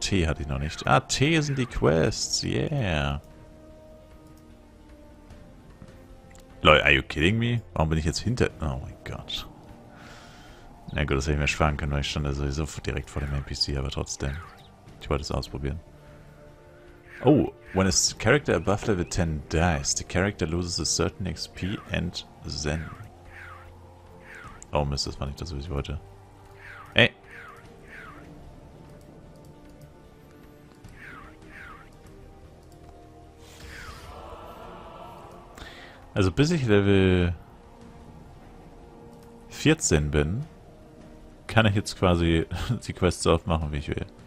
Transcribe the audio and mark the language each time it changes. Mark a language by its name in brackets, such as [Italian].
[German] T hatte ich noch nicht. Ah, T sind die Quests, yeah. [English] Lol, are you kidding me? [German] Warum bin ich jetzt hinter... Oh mein Gott. Na ja gut, das hätte ich mir sparen können, weil ich stand da sowieso direkt vor dem NPC, aber trotzdem. Ich wollte es ausprobieren. [English] Oh, when a character above level 10 dies, the character loses a certain XP and Zen. [German] Oh Mist, das war nicht das, was ich wollte. Ey! Also bis ich Level 14 bin, kann ich jetzt quasi die Quests so oft machen, wie ich will.